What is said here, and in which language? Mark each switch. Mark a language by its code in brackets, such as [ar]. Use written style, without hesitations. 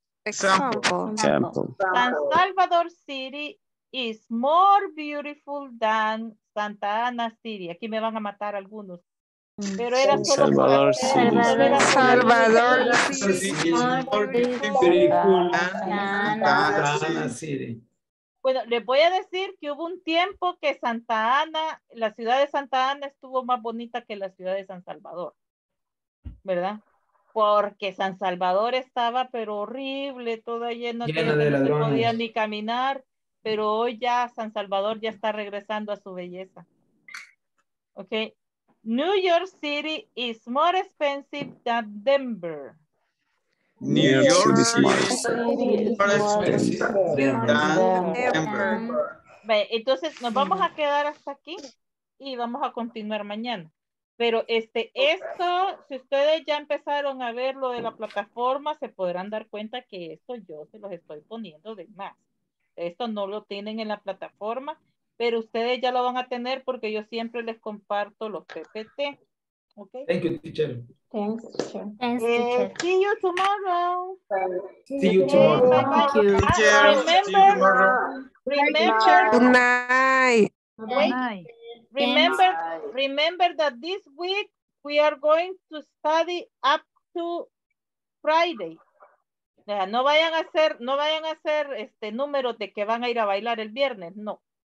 [en] San Salvador City is more beautiful than Santa Ana City. [es] Aquí me van a matar algunos. Pero era solo [en] Salvador City. Salvador City is more beautiful than Santa Ana City. [es] Bueno, les voy a decir que hubo un tiempo que Santa Ana, la ciudad de Santa Ana estuvo más bonita que la ciudad de San Salvador, ¿verdad? Porque San Salvador estaba pero horrible, toda llena de ladrones, no se podía ni caminar, pero hoy ya San Salvador ya está regresando a su belleza. [en] Ok. New York City is more expensive than Denver. New York is more expensive than Denver. [es] Entonces nos vamos a quedar hasta aquí y vamos a continuar mañana. Pero esto, si ustedes ya empezaron a ver lo de la plataforma, se podrán dar cuenta que esto yo se los estoy poniendo de más. Esto no lo tienen en la plataforma, pero ustedes ya lo van a tener porque yo siempre les comparto los PPT. [en] Okay. Thank you, teacher. Thanks, teacher. See you tomorrow. See you tomorrow. Thank you. Teacher. Remember. Good night. Remember that this week we are going to study up to Friday. [es] O sea, no vayan a hacer números de que van a ir a bailar el viernes, no.